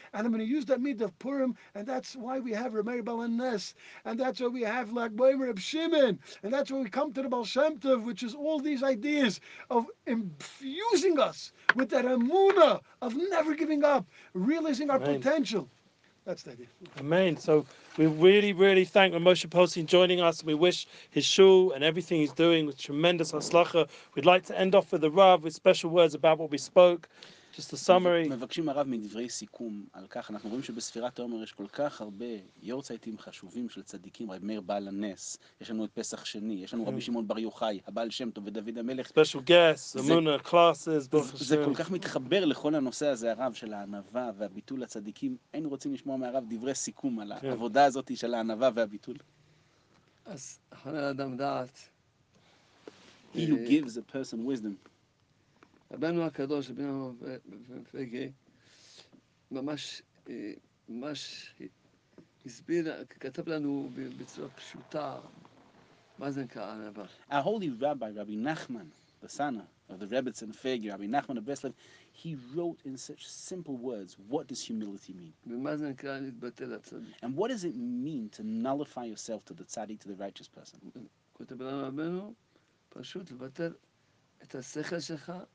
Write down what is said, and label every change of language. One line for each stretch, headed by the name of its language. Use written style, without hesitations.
English: And I'm going to use that midah of Purim, and that's why we have Rabbi Meir Balan Nes, and that's why we have Lag B'Omer Reb Shimon, and that's why we come to the Baal Shem Tov, which is all these ideas of infusing us with that emunah of never giving up, realizing our potential. That's the idea. Amen. So we really, really thank Moshe Polstein joining us. We wish his shul and everything he's doing with tremendous haslacha. We'd like to end off with the Rav with special words about what we spoke. Just a summary.
Hebrew: מבקשים הרב מדברי סיכום על כך. אנחנו רואים שבספירת העומר יש כל כך הרבה יורצייטים חשובים של צדיקים. רב מאיר בעל הנס. יש לנו את פסח שני. יש לנו רבי שמעון בר יוחאי, הבעל שם טוב ודוד המלך.
English: Special guests, אמונה, classes, ברוך השם.
Hebrew: זה כל כך מתחבר לכל הנושא הזה, הרב, של הענווה והביטול לצדיקים. היינו רוצים לשמוע מהרב דברי סיכום על העבודה הזאת של הענווה והביטול. אז חונן אדם דעת.
English: He who gives a person wisdom.
Hebrew: רבנו הקדוש, רבנו פגי, ממש הסביר, כתב לנו בצורה פשוטה, מה זה נקרא ענווה.
English: Our holy rabbi, Rabbi Nachman, the son of the Rebbetzin Fegi, Rabbi Nachman of Breslev, he wrote in such simple words, what does humility mean?
Hebrew: ומה זה נקרא להתבטל לצדיק?
English: And what does it mean to nullify yourself to the tzaddik, to the righteous person?
Hebrew: כתב לנו רבנו, פשוט לבטל את השכל שלך,